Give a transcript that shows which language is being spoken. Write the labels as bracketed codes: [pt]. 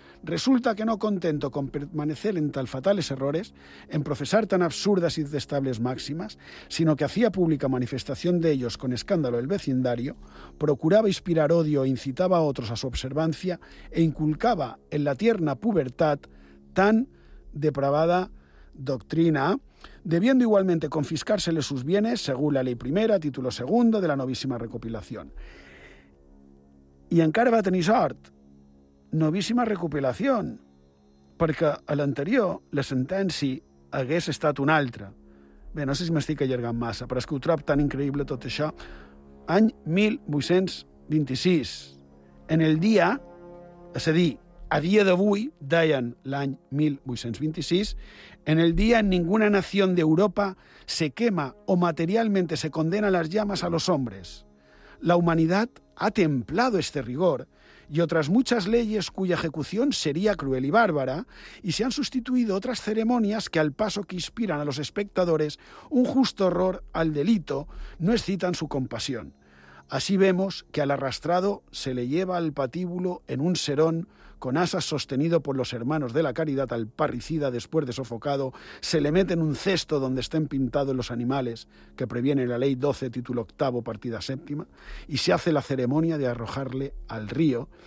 [es] resulta que no contento con permanecer en tal fatales errores, en profesar tan absurdas y detestables máximas, sino que hacía pública manifestación de ellos con escándalo el vecindario, procuraba inspirar odio e incitaba a otros a su observancia e inculcaba en la tierna pubertad tan depravada doctrina, debiendo igualmente confiscársele sus bienes según la ley primera, título segundo de la novísima recopilación. [ca] Y encara va tenir sort. Novíssima recopilació, perquè a l'anterior la sentència hagués estat una altra. Bé, no sé si m'estic allargant massa, però és que ho trob tan increïble tot això. Any 1826. [es] En el dia, [ca] és a dir, a dia d'avui, deien l'any 1826, [es] en el dia en ninguna nació d'Europa se quema o materialmente se condena las llamas a los hombres. La humanidad ha templado este rigor y otras muchas leyes cuya ejecución sería cruel y bárbara, y se han sustituido otras ceremonias que al paso que inspiran a los espectadores un justo horror al delito, no excitan su compasión. Así vemos que al arrastrado se le lleva al patíbulo en un serón, con asas sostenido por los hermanos de la caridad al parricida después de sofocado, se le mete en un cesto donde estén pintados los animales, que previene la ley 12, título 8, partida 7, y se hace la ceremonia de arrojarle al río.